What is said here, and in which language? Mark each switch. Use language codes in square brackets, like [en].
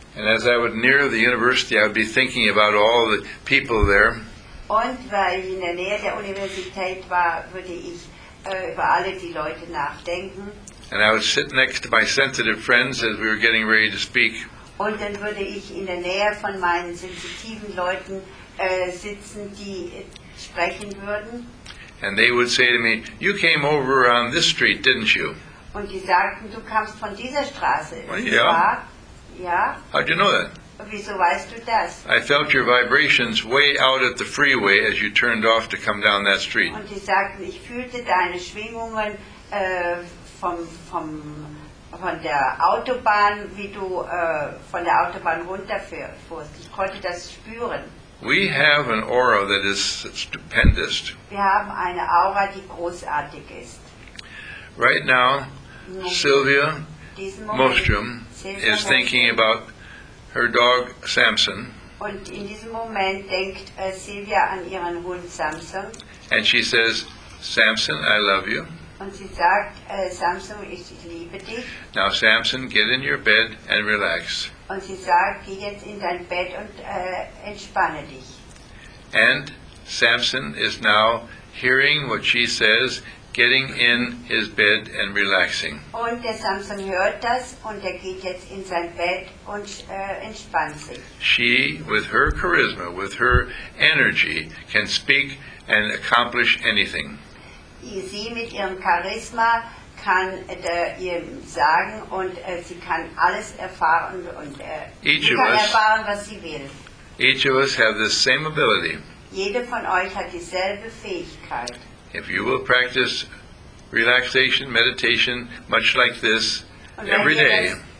[en] And as I would near the university, I would be thinking about all the people there. [de] Und weil ich in der Nähe der Universität war, würde ich über alle die Leute nachdenken. [en] And I would sit next to my sensitive friends as we were getting ready to speak. [de] Und dann würde ich in der Nähe von meinen sensitiven Leuten sitzen, die sprechen würden. [en] And they would say to me, "You came over on this street, didn't you?" [de] Und die sagten, du kamst von dieser Straße. [en] Well, yeah. [de] Ja. [en] How'd you know that? [de] Wieso weißt du das? [en] I felt your vibrations way out at the freeway as you turned off to come down that street. [de] Und die sagten, ich fühlte deine Schwingungen von der Autobahn, wie du von der Autobahn runterfuhrst. Ich konnte das spüren. [en] We have an aura that is stupendous. [de] Wir haben eine Aura, die großartig ist. [en] Right now, Sylvia Mostrom is thinking about her dog Samson. [de] Und in diesem Moment denkt Sylvia an ihren Hund Samson. [en] And she says, "Samson, I love you." [de] Und sie sagt, Samson, ich liebe dich. [en] Now, Samson, get in your bed and relax. [de] Und sie sagt, geh jetzt in dein Bett und entspanne dich. [en] And Samson is now hearing what she says, getting in his bed and relaxing. [de] Und der Samson hört das und er geht jetzt in sein Bett und entspannt sich. [en] She, with her charisma, with her energy, can speak and accomplish anything. [de] Sie mit ihrem Charisma kann ihm sagen und sie kann alles erfahren und [en] each [de] sie kann [en] of us, [de] erfahren, was sie will. [en] Each of us have the same ability. [de] Jede von euch hat dieselbe Fähigkeit. [en] If you will practice relaxation, meditation, much like this, every day.